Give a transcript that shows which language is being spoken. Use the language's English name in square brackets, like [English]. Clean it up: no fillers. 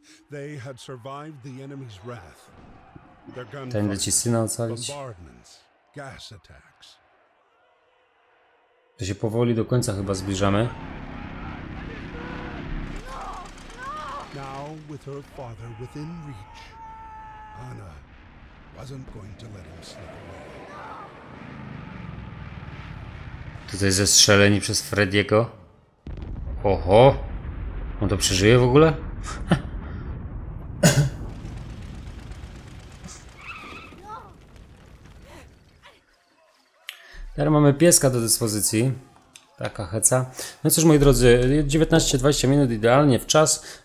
[English] They had survived the enemy's wrath. Their bombardments, gas attacks. [Polish] To się powoli do końca chyba zbliżamy. [English] Now, with her father within reach, Anna wasn't going to let him slip away. [Polish] Tutaj zestrzeleni przez Frediego. Oho! On to przeżyje w ogóle? Teraz mamy pieska do dyspozycji. Taka heca. No cóż, moi drodzy, 19-20 minut idealnie w czas.